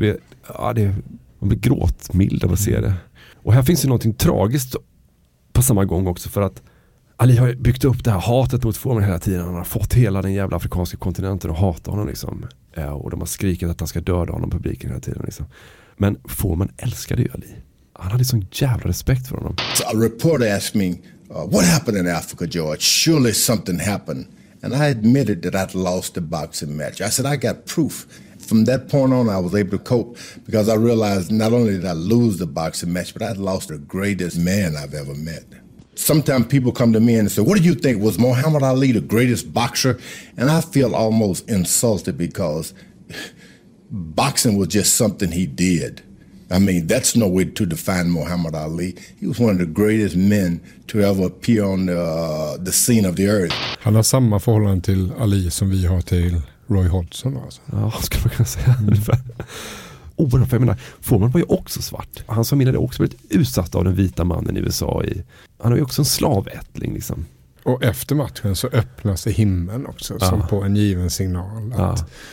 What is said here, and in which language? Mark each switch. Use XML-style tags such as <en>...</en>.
<sv>Det, ja, det, man blir gråtmild av att se det. Och här finns ju någonting tragiskt på samma gång också, för att Ali har byggt upp det här hatet mot Foreman hela tiden. Han har fått hela den jävla afrikanska kontinenten att hata honom liksom. Och de har skrikat att han ska döda honom, publiken, hela tiden liksom. Men Foreman älskade ju Ali. Han hade sån jävla respekt för honom.</sv> <en>So a reporter asked me, what happened in Africa, George? Surely something happened. And I admitted that I'd lost a boxing match. I said, I got proof. From that point on, I was able to cope because I realized not only did I lose the boxing match, but I'd lost the greatest man I've ever met. Sometimes people come to me and say, what do you think? Was Muhammad Ali the greatest boxer? And I feel almost insulted because boxing was just something he did. I mean, that's no way to define Muhammad Ali. He was one of the greatest men to ever appear on the scene of the earth.</en> <sv>Han har samma förhållande till Ali som vi har till Roy Hodgson. Alltså. Ja, ska man kunna säga. Oerhört, för jag menar, Foreman var ju också svart. Hans familj hade också blivit utsatt av den vita mannen i USA. Han var ju också en slavättling liksom. Och efter matchen så öppnas det himlen också, ja. Som på en given signal. Att ja.</sv>